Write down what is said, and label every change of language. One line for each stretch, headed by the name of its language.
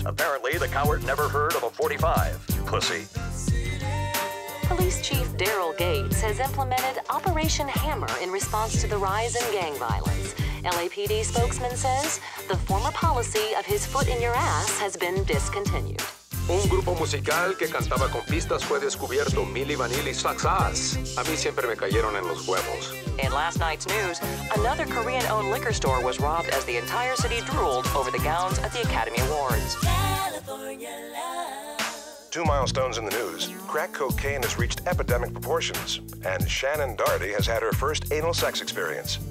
English: Apparently, the coward never heard of a 45. Pussy. Police Chief Daryl Gates has implemented Operation Hammer in response to the rise in gang violence. LAPD spokesman says the former policy of his foot in your ass has been discontinued.
Spanish: Un grupo musical que cantaba con pistas fue descubierto, Milli Vanilli Saxas. A mí siempre me cayeron en los huevos.
English: In last night's news, another Korean-owned liquor store was robbed as the entire city drooled over the gowns at the Academy Awards. California love. Two milestones in the news. Crack cocaine has reached epidemic proportions, and Shannon Daugherty has had her first anal sex experience.